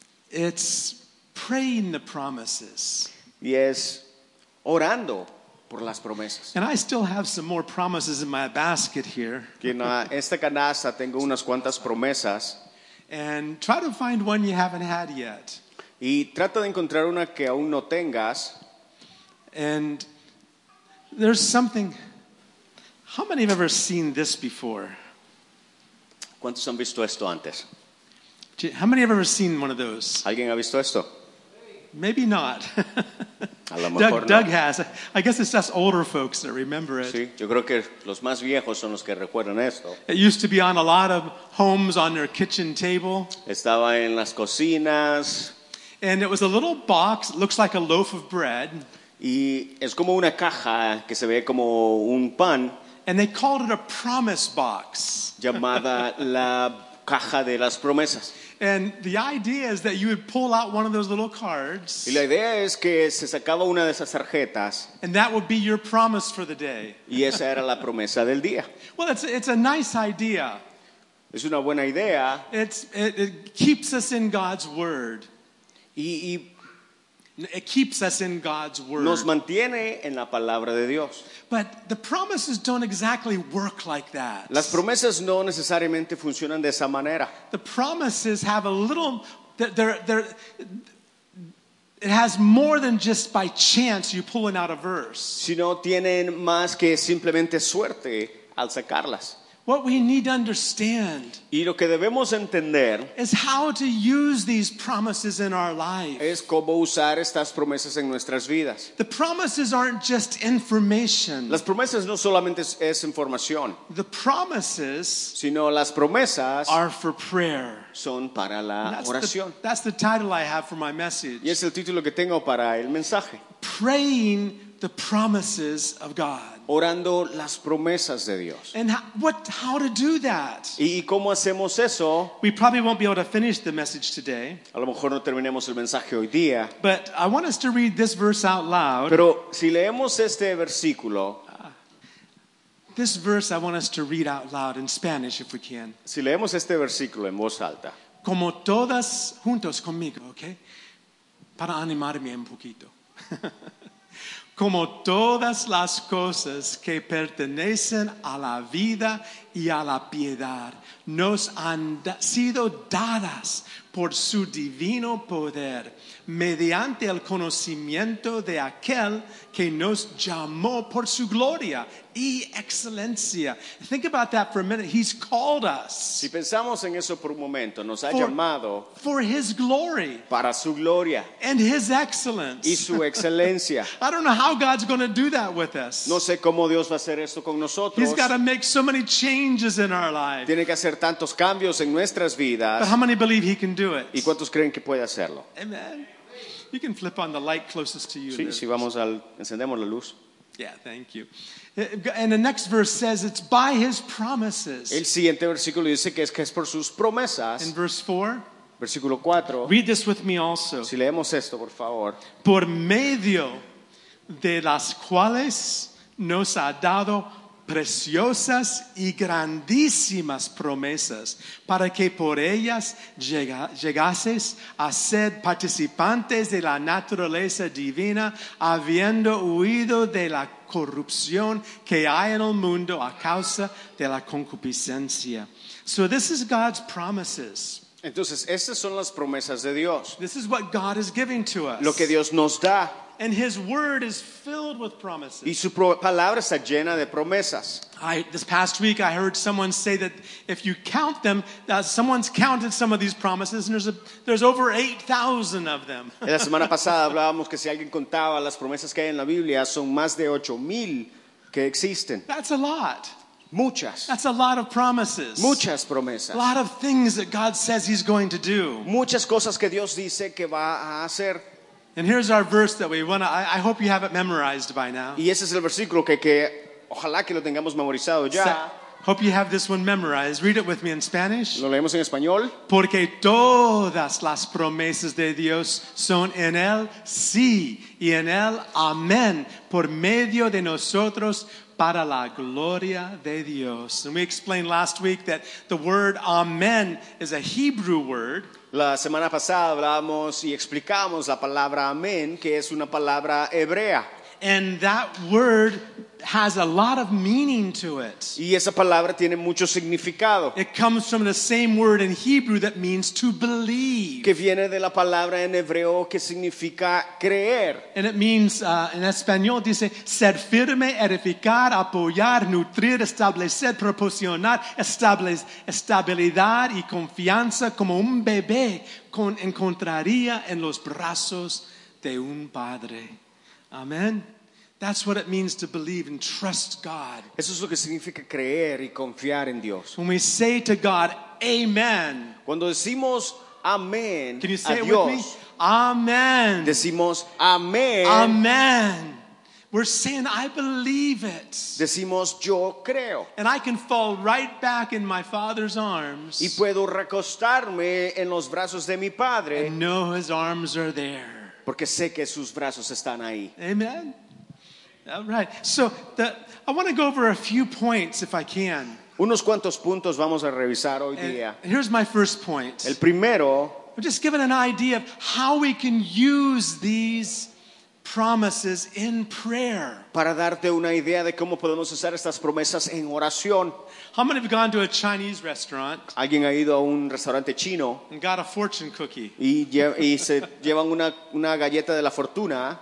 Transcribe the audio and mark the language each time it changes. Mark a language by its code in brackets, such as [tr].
[en] It's praying the promises. [es] Y es orando por las promesas. [en] And I still have some more promises in my basket here. [es] En esta canasta tengo unas cuantas promesas. [en] And try to find one you haven't had yet. [es] Y trata de encontrar una que aún no tengas. [en] And there's something. How many have ever seen this before? [es] ¿Cuántos han visto esto antes? [en] How many have ever seen one of those? [es] ¿Alguien ha visto esto? [en] Maybe not. [es] A lo mejor [en] Doug, [es] no. [en] Doug has. I guess it's us older folks that remember it. [es] Sí, yo creo que los más viejos son los que recuerdan esto. [en] It used to be on a lot of homes on their kitchen table. [es] Estaba en las cocinas. [en] And it was a little box, looks like a loaf of bread. [es] Y es como una caja que se ve como un pan. [en] And they called it a promise box. [es] Llamada la caja de las promesas. [en] And the idea is that you would pull out one of those little cards. [es] Y la idea es que se sacaba una de esas tarjetas. [en] And that would be your promise for the day. [es] Y esa era la promesa del día. [en] Well, it's a nice idea. [es] Es una buena idea. [en] It keeps us in God's word. It keeps us in God's word. [es] Nos mantiene en la palabra de Dios. [en] But the promises don't exactly work like that. [es] Las promesas no necesariamente funcionan de esa manera. [en] The promises have a little. It has more than just by chance you pulling out a verse. [es] Sino tienen más que simplemente suerte al sacarlas. [en] What we need to understand, [es] y lo que debemos entender, [en] is how to use these promises in our life. [es] Es cómo usar estas promesas en nuestras vidas. [en] The promises aren't just information. [es] Las promesas no solamente es información. [en] The promises, [es] sino las promesas, [en] are for prayer. [es] Son para la oración. [en] That's the title I have for my message. [es] Y es el título que tengo para el mensaje. [en] Praying the promises of God. [es] Orando las promesas de Dios. [en] And how to do that? [es] ¿Y cómo hacemos eso? [en] We probably won't be able to finish the message today. [es] A lo mejor no terminemos el mensaje hoy día. [en] But I want us to read this verse out loud. [es] Pero si leemos este versículo. [en] This verse I want us to read out loud in Spanish if we can. [es] Si leemos este versículo en voz alta. Como todas juntos conmigo, okay? Para animarme un poquito. Como todas las cosas que pertenecen a la vida y a la piedad nos han sido dadas por su divino poder mediante el conocimiento de aquel que nos llamó por su gloria y excelencia. [en] Think about that for a minute. He's called us. [es] Si pensamos en eso por un momento, nos ha llamado [en] for his glory. [es] Para su gloria. [en] And his excellence. [es] Y su excelencia. [en] I don't know how God's going to do that with us. [es] No sé cómo Dios va a hacer esto con nosotros. [en] He's got to make so many changes in our life. [es] Tiene que hacer tantos cambios en nuestras vidas. [en] But how many believe he can do it? [es] ¿Y cuántos creen que puede hacerlo? [en] Amen. You can flip on the light closest to you. [es] Sí, si vamos al encendemos la luz. [en] Yeah, thank you. And the next verse says it's by his promises. [es] El siguiente versículo dice que es por sus promesas. [en] In verse 4. [es] Versículo 4. [en] Read this with me also. [es] Si leemos esto, por favor. Por medio de las cuales nos ha dado preciosas y grandísimas promesas para que por ellas llegases a ser participantes de la naturaleza divina, habiendo huido de la corrupción que hay en el mundo a causa de la concupiscencia. [en] So this is God's promises. [es] Entonces, estas son las promesas de Dios. [en] This is what God is giving to us. [es] Lo que Dios nos da. [en] And His word is filled with promises. [es] Y su palabra está llena de promesas. [en] This past week I heard someone say that if you count them, someone's counted some of these promises, and there's over 8,000 of them. [es] La semana pasada hablábamos que si alguien contaba las promesas que hay en la Biblia, son más de 8,000 que existen. [en] That's a lot. [es] Muchas. [en] That's a lot of promises. [es] Muchas promesas. [en] A lot of things that God says He's going to do. [es] Muchas cosas que Dios dice que va a hacer. [en] And here's our verse that we want to, I hope you have it memorized by now. [es] Y ese es el versículo que ojalá que lo tengamos memorizado ya. [en] Hope you have this one memorized. Read it with me in Spanish. [es] Lo leemos en español. Porque todas las promesas de Dios son en él sí y en él amén por medio de nosotros para la gloria de Dios. [en] And we explained last week that the word amen is a Hebrew word. [es] La semana pasada hablamos y explicamos la palabra amén, que es una palabra hebrea. [en] And that word has a lot of meaning to it. [es] Y esa palabra tiene mucho significado. [en] It comes from the same word in Hebrew that means to believe. [es] Que viene de la palabra en hebreo que significa creer. [en] And it means, [es] en español dice, ser firme, edificar, apoyar, nutrir, establecer, proporcionar, estabilidad y confianza como un bebé encontraría en los brazos de un padre. Amen. [en] That's what it means to believe and trust God. [es] Eso es lo que significa creer y confiar en Dios. [en] When we say to God, amen. [es] Cuando decimos amén a Dios. [en] Can you say it with me? Amen. [es] Decimos amén. [en] Amen. We're saying, I believe it. [es] Decimos, yo creo. [en] And I can fall right back in my Father's arms. [es] Y puedo recostarme en los brazos de mi Padre. [en] And know His arms are there. [es] Porque sé que sus brazos están ahí. [en] Amen. All right. So I want to go over a few points if I can. [es] Unos cuantos puntos vamos a revisar hoy día. [en] Here's my first point. [es] El primero. [en] I'm just giving an idea of how we can use these promises in prayer. [es] Para darte una idea de cómo podemos usar estas promesas en oración. [en] How many have gone to a Chinese restaurant? [es] ¿Alguien ha ido a un restaurante chino? [en] And got a fortune cookie. [es] Y se llevan una galleta de la fortuna.